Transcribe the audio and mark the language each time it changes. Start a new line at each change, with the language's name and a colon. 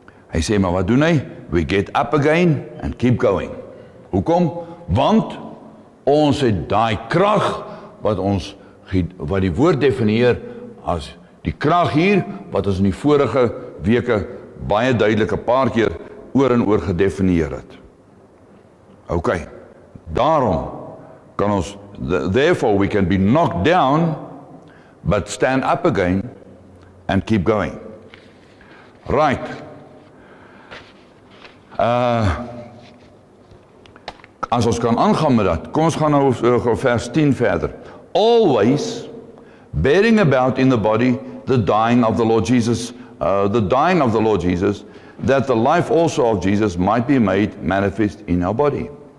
Afrikaans: Hy sê, maar wat doen hy?
English: We get up again and keep going.
Afrikaans: Hoekom? Want ons het daai krag wat ons, wat die woord definieer as die krag hier, wat ons in die vorige weke baie duidelik 'n paar keer oor en oor gedefinieer het.
English: OK,
Afrikaans: daarom kan ons,
English: therefore we can be knocked down, but stand up again and keep going. Right.
Afrikaans: As ons kan aangaan met dat, kom ons gaan nou vers 10 verder.
English: Always bearing about in the body the dying of the Lord Jesus, that the life also of Jesus might be made manifest in our body.